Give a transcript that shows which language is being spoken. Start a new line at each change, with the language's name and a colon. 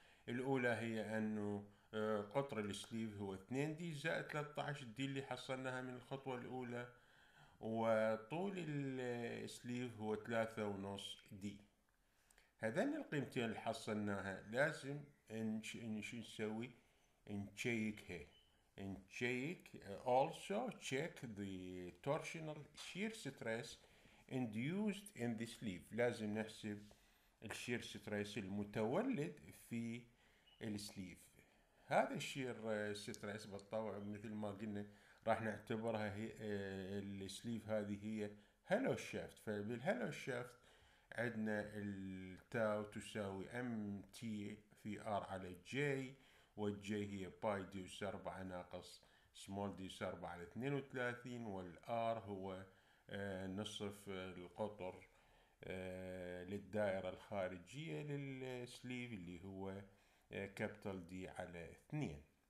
Arabic: الاولى هي انه قطر السليف هو 2 دي زائد 13 دي اللي حصلناها من الخطوة الاولى، وطول السليف هو 3.5 دي. هذين القيمتين اللي حصلناها لازم نسوي نشيكها
English: and check also check the torsional shear stress induced in the sleeve.
Arabic: لازم نحسب الشير ستريس المتولد في السليف. هذا الشير ستريس بالطبع مثل ما قلنا راح نعتبرها هي السليف، هذه هي هالو شافت. فبالهالو شافت عندنا التاو تساوي ام تي في ار على جي، والجي هي باي ديوس 4 ناقص سمول ديوس 4 على 32، والار هو نصف القطر للدائرة الخارجية للسليف اللي هو كابيتال دي على 2.